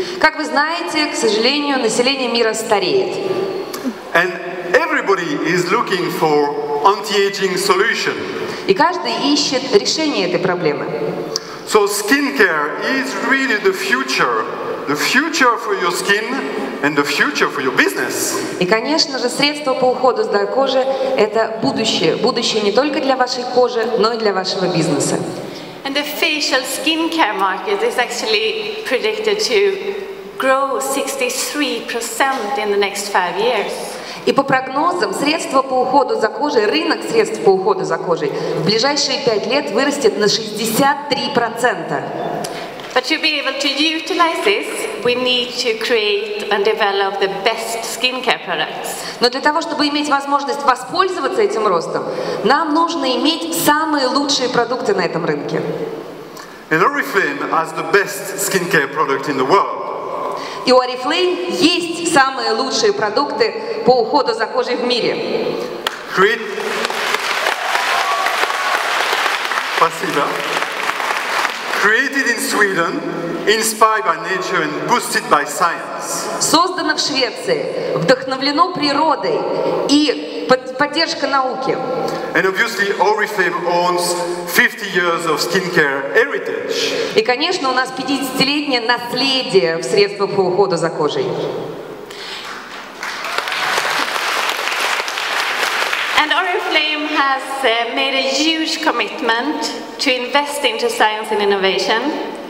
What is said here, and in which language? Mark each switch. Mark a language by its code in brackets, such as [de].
[ru] Как вы знаете, к сожалению, население мира стареет. [en] And everybody is looking for anti-aging solution. [ru] И каждый ищет решение этой проблемы. [en] So skincare is really the future for your skin and the future for your business. [ru] И, конечно же, средства по уходу за кожей – это будущее, будущее не только для вашей кожи, но и для вашего бизнеса. [en] And the facial skincare market is actually predicted to grow 63% in the next 5 years. [ru] И по прогнозам, средства по уходу за кожей, рынок средств по уходу за кожей в ближайшие 5 лет вырастет на 63%. [en] But to be able to utilize this, we need to create and develop the best skincare products. [ru] Но для того, чтобы иметь возможность воспользоваться этим ростом, нам нужно иметь самые лучшие продукты на этом рынке. [en] And Oriflame has the best skincare product in the world. [ru] И у Oriflame есть самые лучшие продукты по уходу за кожей в мире. Спасибо. [en] Created in Sweden, inspired by nature and boosted by science. [ru] Создано в Швеции, вдохновлено природой и поддержка науки. [en] And obviously, Oriflame owns 50 years of skincare heritage. [ru] И, конечно, у нас 50-летнее наследие в средствах по уходу за кожей. [en] And Oriflame has made a huge commitment to invest into science and innovation.